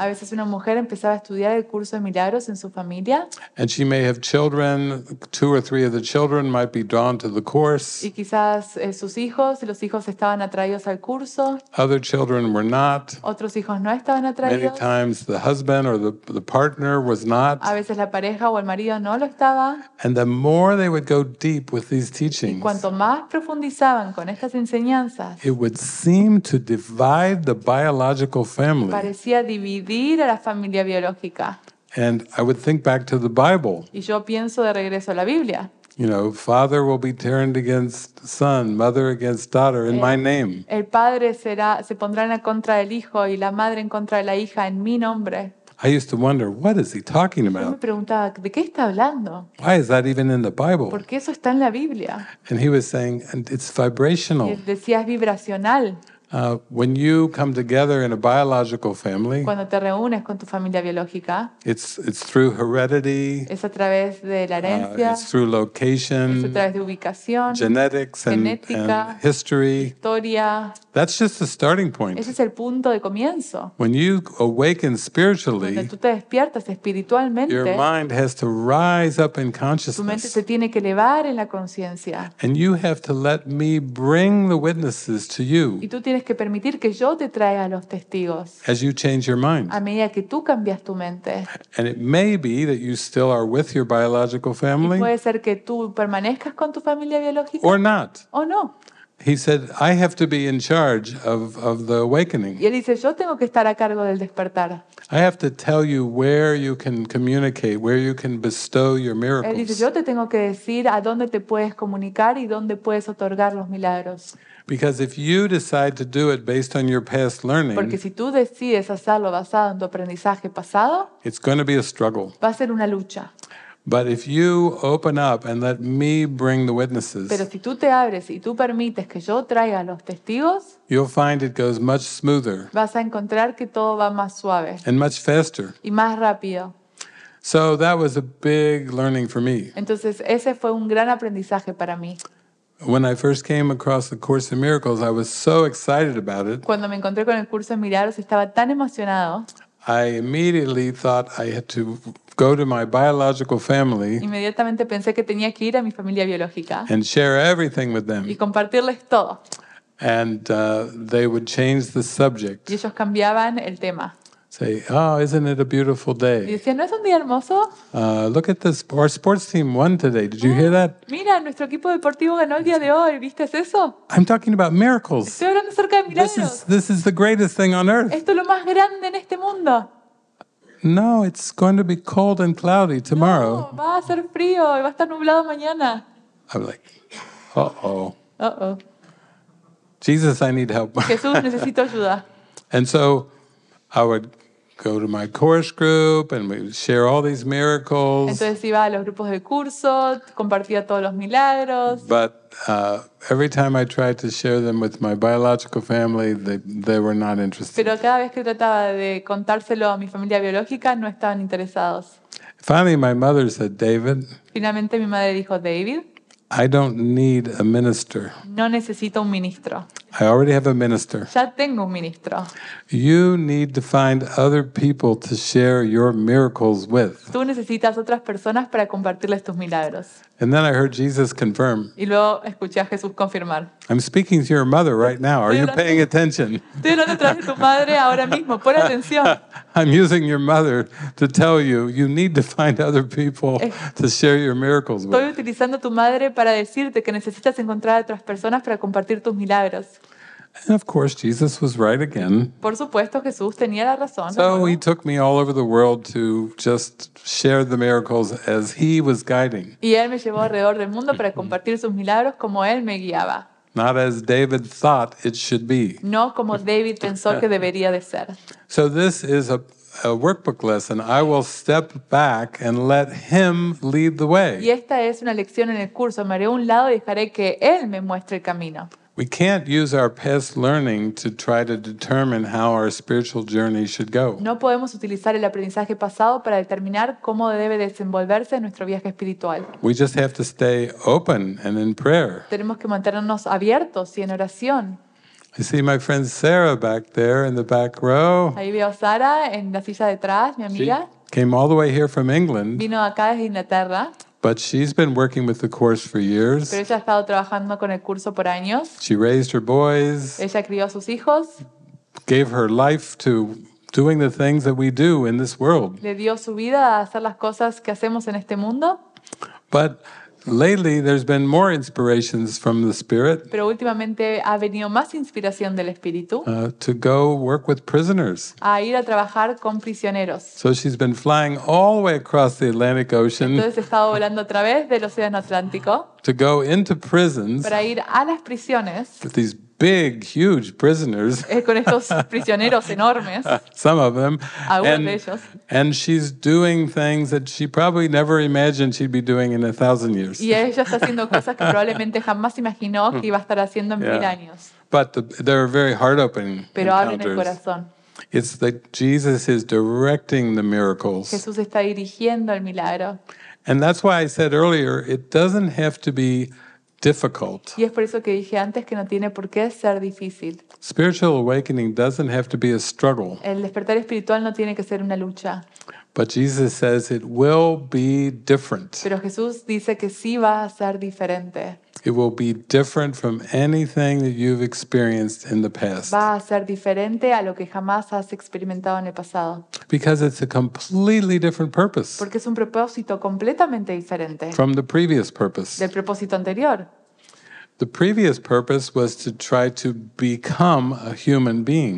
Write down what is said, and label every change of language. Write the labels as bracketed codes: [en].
[es] A veces una mujer empezaba a estudiar el curso de milagros en su familia. [en] And she may have children, two or three of the children might be drawn to the course. [es] Y quizás sus hijos, los hijos estaban atraídos al curso. [en] Other children were not. [es] Otros hijos no estaban atraídos. [en] Many times the husband or the partner was not. [es] A veces la pareja o el marido no lo estaba. [en] And the more they would go deep with these teachings. [es] Y cuanto más profundizaban con estas enseñanzas. [en] It would seem to divide the biological family. [es] Parecía dividir a la familia biológica. [en] And I would think back to the Bible. [es] Y yo pienso de regreso a la Biblia. [en] You know, father will be turned against son, mother against daughter in my name. [es] El padre se pondrá en contra del hijo y la madre en contra de la hija en mi nombre. [en] I used to wonder, what is he talking about? [es] Yo me preguntaba, ¿de qué está hablando? [en] Why is that even in the Bible? [es] ¿Por qué eso está en la Biblia? [en] And he was saying, and it's vibrational. [es] Y él decía, es vibracional. [en] When you come together in a biological family, [es] cuando te reúnes con tu familia biológica, [en] it's through heredity, [es] es a través de la herencia, [en] it's through location, [es] es a través de ubicación, [en] genetics [es] genética, [en] and history, [es] historia. [en] That's just the starting point. [es] Ese es el punto de comienzo. [en] When you awaken spiritually, [es] cuando tú te despiertas espiritualmente, [en] your mind has to rise up in consciousness. [es] Tu mente se tiene que elevar en la conciencia. [en] And you have to let me bring the witnesses to you. [es] Y tú tienes que permitir que yo te traiga a los testigos. [en] As you change your mind. [es] A medida que tú cambias tu mente. [en] And it may be that you still are with your biological family. [es] Y puede ser que tú permanezcas con tu familia biológica. [en] Or not. [es] O no. [en] He said, "I have to be in charge of the awakening." [es] Y él dice, "Yo tengo que estar a cargo del despertar." [en] I have to tell you where you can communicate, where you can bestow your miracles. [es] Él dice, "Yo te tengo que decir a dónde te puedes comunicar y dónde puedes otorgar los milagros." [en] Because if you decide to do it based on your past learning, [es] porque si tú decides hacerlo basado en tu aprendizaje pasado, [en] it's going to be a struggle. [es] Va a ser una lucha. [en] But if you open up and let me bring the witnesses, [es] pero si tú te abres y tú permites que yo traiga los testigos, [en] you'll find it goes much smoother. [es] Vas a encontrar que todo va más suave. [en] And much faster. [es] Y más rápido. [en] So that was a big learning for me. [es] Entonces ese fue un gran aprendizaje para mí. [en] When I first came across the Course in Miracles, I was so excited about it. [es] Cuando me encontré con el curso de milagros estaba tan emocionado. [en] I immediately thought I had to go to my biological family. [es] Inmediatamente pensé que tenía que ir a mi familia biológica. [en] And share everything with them. [es] Y compartirles todo. [en] And they would change the subject. [es] Y ellos cambiaban el tema. [en] Say, "Oh, isn't it a beautiful day?" [es] Y decían, ¿no es un día hermoso? [en] Look at this. Our sports team won today. Did you hear that? [es] Mira, nuestro equipo deportivo ganó el día de hoy. ¿Viste eso? [en] I'm talking about miracles. [es] Estoy hablando acerca de milagros. [en] This is the greatest thing on earth. [es] Esto es lo más grande en este mundo. [en] No, it's going to be cold and cloudy tomorrow. [es] No, va a ser frío y va a estar nublado mañana. [en] I'm like, uh-oh. Uh-oh. Jesus, I need help. [es] Jesús, necesito ayuda. [en] And so I would go to my course group and we would share all these miracles. [es] Entonces iba a los grupos de curso, compartía todos los milagros. [en] But every time I tried to share them with my biological family, they were not interested. [es] Pero cada vez que trataba de contárselo a mi familia biológica, no estaban interesados. [en] Finally, my mother said, "David." [es] Finalmente mi madre dijo, "David." [en] I don't need a minister. [es] No necesito un ministro. [en] I already have a minister. [es] Ya tengo un ministro. [en] You need to find other people to share your miracles with. [es] Tú necesitas otras personas para compartirles tus milagros. [en] And then I heard Jesus confirm. [es] Y luego escuché a Jesús confirmar. [en] I'm speaking to your mother right now. Are you paying attention? [es] Estoy hablando detrás de tu madre ahora mismo. Pon atención. [en] I'm using your mother to tell you you need to find other people to share your miracles with. [es] Estoy utilizando tu madre para decirte que necesitas encontrar a otras personas para compartir tus milagros. [en] And of course, Jesus was right again. [es] Por supuesto, Jesús tenía la razón. [en] So he took me all over the world to just share the miracles as he was guiding. [es] Y él me llevó alrededor del mundo para compartir sus milagros como él me guiaba. [en] Not as David thought it should be. [es] No como David pensó que debería de ser. [en] So this is a workbook lesson. I will step back and let him lead the way. [es] Y esta es una lección en el curso. Me haré a un lado y dejaré que él me muestre el camino. [en] We can't use our past learning to try to determine how our spiritual journey should go. [es] No podemos utilizar el aprendizaje pasado para determinar cómo debe desenvolverse nuestro viaje espiritual. [en] We just have to stay open and in prayer. [es] Tenemos que mantenernos abiertos y en oración. [en] I see my friend Sarah back there in the back row. [es] Ahí veo a Sara en la silla detrás, mi amiga. [en] She came all the way here from England. [es] Vino acá desde Inglaterra. [en] But she's been working with the course for years. [es] Pero ella ha estado trabajando con el curso por años. [en] She raised her boys. [es] Ella crió a sus hijos. [en] Gave her life to doing the things that we do in this world. [es] Le dio su vida a hacer las cosas que hacemos en este mundo. [en] But lately, there's been more inspirations from the Spirit. [es] Pero últimamente ha venido más inspiración del Espíritu. [en] To go work with prisoners. [es] A ir a trabajar con prisioneros. [en] So she's been flying all the way across the Atlantic Ocean. [es] Entonces he estado volando a través del Océano Atlántico. [en] To go into prisons. [es] Para ir a las prisiones. [en] With these big, huge prisoners. [es] Con estos prisioneros enormes. [en] Some of them. [es] Algunos de ellos. [en] And she's doing things that she probably never imagined she'd be doing in 1,000 years. [es] Y ella está haciendo cosas que probablemente jamás imaginó que iba a estar haciendo en 1,000 años. [en] But they're very heart-opening. [es] Pero [en] encounters. [es] Abren el corazón. [en] It's that Jesus is directing the miracles. [es] Jesús está dirigiendo el milagro. [en] And that's why I said earlier, it doesn't have to be difficult. [es] Y es por eso que dije antes que no tiene por qué ser difícil. [en] Spiritual awakening doesn't have to be a struggle. [es] El despertar espiritual no tiene que ser una lucha. [en] But Jesus says it will be different. [es] Pero Jesús dice que sí va a ser diferente. [en] It will be different from anything that you've experienced in the past. [es] Va a ser diferente a lo que jamás has experimentado en el pasado. [en] Because it's a completely different purpose. [es] Porque es un propósito completamente diferente. [en] From the previous purpose. [es] Del propósito anterior. [en] The previous purpose was to try to become a human being.